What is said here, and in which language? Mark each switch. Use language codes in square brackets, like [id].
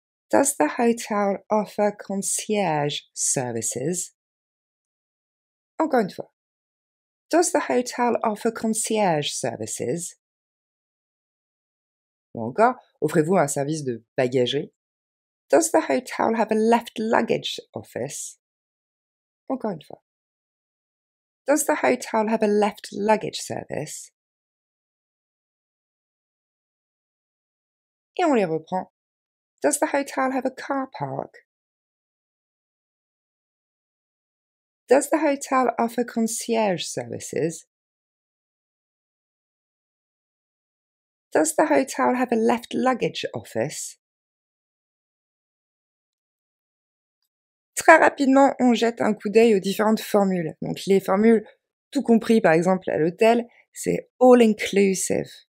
[en] Does the hotel offer concierge services? [fr] Encore une fois. [en] Does the hotel offer concierge services? [fr] Ou encore, offrez-vous un service de bagagerie? [en] Does the hotel have a left luggage office? [fr] Encore une fois. [en] Does the hotel have a left luggage service? [fr] Et on les reprend. [en] Does the hotel have a car park? Does the hotel offer concierge services? Does the hotel have a left luggage office? [fr] Très rapidement, on jette un coup d'œil aux différentes formules. Donc les formules, tout compris par exemple à l'hôtel, c'est [en] all inclusive.